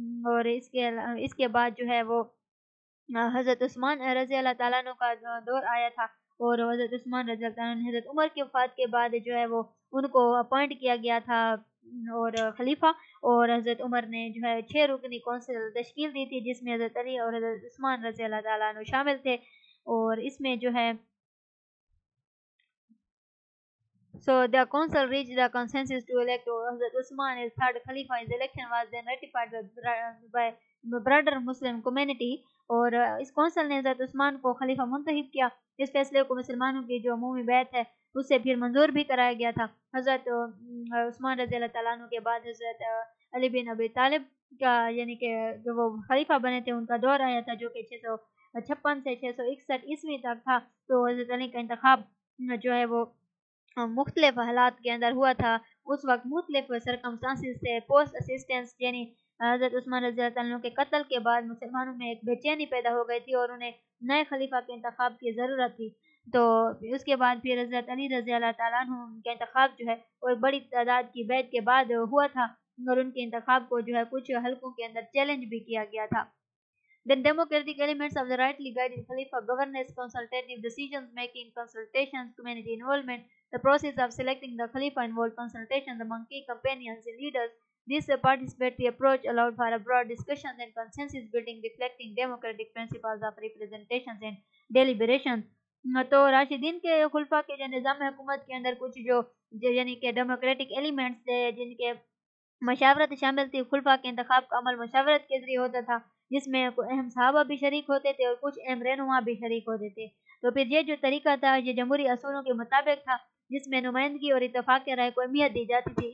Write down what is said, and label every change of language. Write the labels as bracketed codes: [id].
[ur] اور اس کے بعد جو ہے وہ حضرت عثمان رضی اللہ تعالیٰ عنہ کا دور آیا تھا, اور حضرت عثمان رضی اللہ تعالیٰ عنہ حضرت عمر کی وفات کے بعد جو ہے وہ ان کو اپوائنٹ کیا گیا تھا اور خلیفہ, اور حضرت عمر نے جو ہے 6 رکنی کونسل تشکیل دی تھی جس میں حضرت علی اور حضرت عثمان رضی اللہ تعالیٰ عنہ شامل تھے. اور اس میں جو ہے [en] So the council reached the consensus to elect Hazrat Usman as third Khalifa. His election was then ratified by broader Muslim community. [ur] اور اس کونسل نے حضرت عثمان کو خلیفہ منتخب کیا. اس فیصلے کو مسلمانوں کی جو عمومی بیعت ہے اسے پھر منظور بھی کرایا گیا تھا. حضرت عثمان رضی اللہ تعالیٰ عنہ کے بعد حضرت علی بن ابی طالب کا, یعنی کہ جو وہ خلیفہ بنے تھے, ان کا دور آیا تھا جو کہ 656 سے 661 عیسوی تک تھا. تو حضرت علی کا انتخاب جو ہے وہ مختلف حالات کے اندر ہوا تھا. اس وقت مختلف سرکمسٹانسز سے پوسٹ اسسٹنس, یعنی حضرت عثمان رضی اللہ عنہ کے قتل کے بعد مسلمانوں میں ایک بے چینی پیدا ہو گئی تھی, اور انہیں نئے خلیفہ کے انتخاب کی ضرورت تھی. تو اس کے بعد پھر حضرت علی رضی اللہ تعالیٰ عنہ کے انتخاب جو ہے اور بڑی تعداد کی بیعت کے بعد ہوا تھا, اور ان کے انتخاب کو جو ہے کچھ حلقوں کے اندر چیلنج بھی کیا گیا تھا. [en] Then democratic elements of the rightly guided Khalifa governance, consultative decision making, consultations, community involvement, the process of selecting the Khalifa involved consultations among key companions and leaders. This participatory approach allowed for a broad discussion and consensus building, reflecting democratic principles of representation and deliberation. [ur] تو راشدین کے خلفہ کے جو نظام حکومت کے اندر کچھ جو یعنی کہ ڈیموکریٹک ایلیمنٹس تھے, جن کے مشاورت شامل تھی. خلفاء کے انتخاب کا عمل مشاورت کے ذریعے ہوتا تھا جس میں اہم صحابہ بھی شریک ہوتے تھے اور کچھ اہم رہنما بھی شریک ہوتے تھے. تو پھر یہ جو طریقہ تھا یہ جمہوری اصولوں کے مطابق تھا جس میں نمائندگی اور اتفاق کے رائے کو اہمیت دی جاتی تھی.